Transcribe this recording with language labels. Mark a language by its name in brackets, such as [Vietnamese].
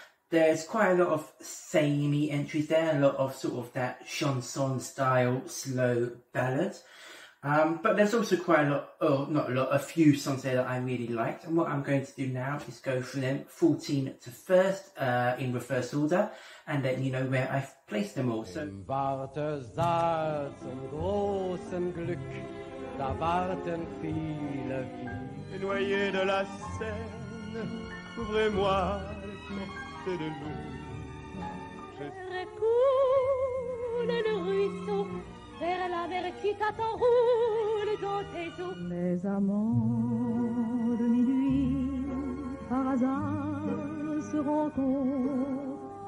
[English] There's quite a lot of samey entries there, a lot of sort of that chanson style slow ballad. But there's also quite a few songs there that I really liked. And what I'm going to do now is go through them 14 to first in reverse order and let you know where I've placed them all. So, [German] Wartesaal zum großen Glück, da warten viele vie. [French] Noyés de la Seine, ouvrez-moi les portes de l'eau. Recoule le ruisseau. Vers la mer qui t'attend, dans tes eaux. Mes amants de minuit, par hasard, se rencontrent.